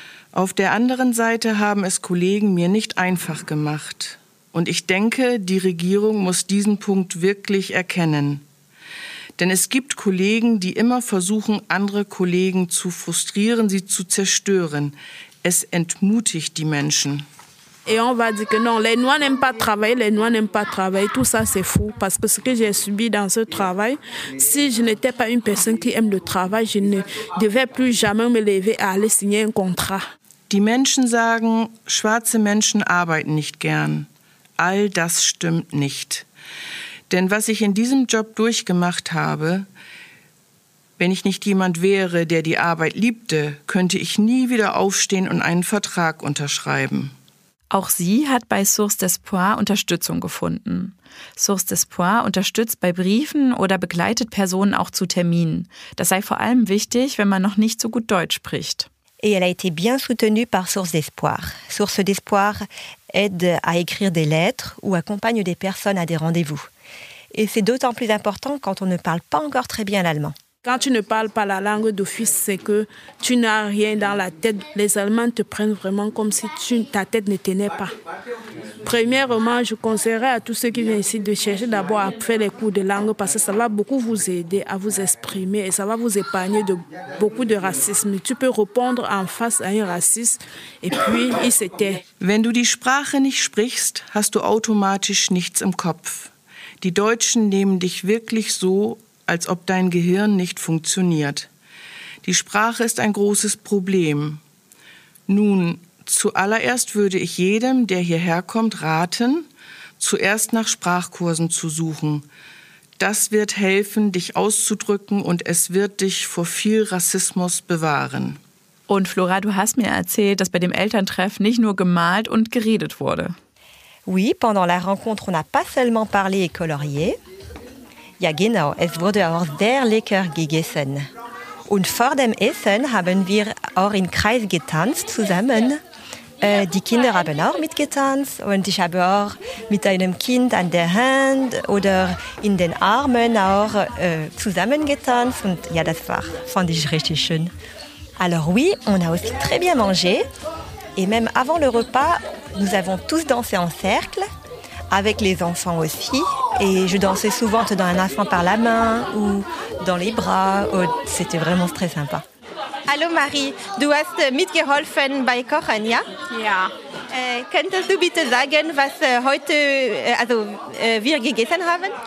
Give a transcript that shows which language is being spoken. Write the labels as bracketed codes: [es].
[de] Auf der anderen Seite haben es Kollegen mir nicht einfach gemacht. Und ich denke, die Regierung muss diesen Punkt wirklich erkennen. Denn es gibt Kollegen, die immer versuchen, andere Kollegen zu frustrieren, sie zu zerstören. Es entmutigt die Menschen. [fr] Et on va dire que non, les Noirs n'aiment pas travailler, les Noirs n'aiment pas travailler, tout ça c'est fou. Parce que ce que j'ai subi dans ce travail, si je n'étais pas une personne qui aime le travail, je ne devais plus jamais me lever à aller signer un contrat. [de] Die Menschen sagen, schwarze Menschen arbeiten nicht gern. All das stimmt nicht. Denn was ich in diesem Job durchgemacht habe, Wenn ich nicht jemand wäre, der die Arbeit liebte, könnte ich nie wieder aufstehen und einen Vertrag unterschreiben. Auch sie hat bei Source d'Espoir Unterstützung gefunden. Source d'Espoir unterstützt bei Briefen oder begleitet Personen auch zu Terminen. Das sei vor allem wichtig, wenn man noch nicht so gut Deutsch spricht. [fr] Et elle a été bien soutenue par Source d'Espoir. Source d'Espoir aide à écrire des lettres ou accompagne des personnes à des rendez-vous. Et c'est d'autant plus important quand on ne parle pas encore très bien l'allemand. Quand tu ne parles pas la langue d'office, c'est que tu n'as rien dans la tête. Les Allemands te prennent vraiment comme si ta tête ne tenait pas. Premièrement, je conseillerais à tous ceux qui viennent ici de chercher d'abord à faire les cours de langue parce que ça va beaucoup vous aider à vous exprimer et ça va vous épargner de beaucoup de racisme. Tu peux répondre en face à un raciste et puis il s'était. [de] Wenn du die Sprache nicht sprichst, hast du automatisch nichts im Kopf. Die Deutschen nehmen dich wirklich so, als ob dein Gehirn nicht funktioniert. Die Sprache ist ein großes Problem. Nun, zuallererst würde ich jedem, der hierher kommt, raten, zuerst nach Sprachkursen zu suchen. Das wird helfen, dich auszudrücken und es wird dich vor viel Rassismus bewahren. Und Flora, du hast mir erzählt, dass bei dem Elterntreff nicht nur gemalt und geredet wurde. [fr] Oui, pendant la rencontre, on n'a pas seulement parlé et colorié. [de] Ja genau, es wurde auch sehr lecker gegessen. Und vor dem Essen haben wir auch im Kreis getanzt zusammen. Die Kinder haben auch mitgetanzt und ich habe auch mit einem Kind an der Hand oder in den Armen auch zusammen getanzt. Und ja, das war, fand ich richtig schön. [fr] Alors oui, on a aussi très bien mangé. Et même avant le repas, nous avons tous dansé en cercle. Avec les enfants aussi, et je dansais souvent dans un enfant par la main ou dans les bras. C'était vraiment très sympa. [de] Hallo Marie, du hast mitgeholfen bei Kochen, ja? Ja. Könntest du bitte sagen, was heute, also wir gegessen haben?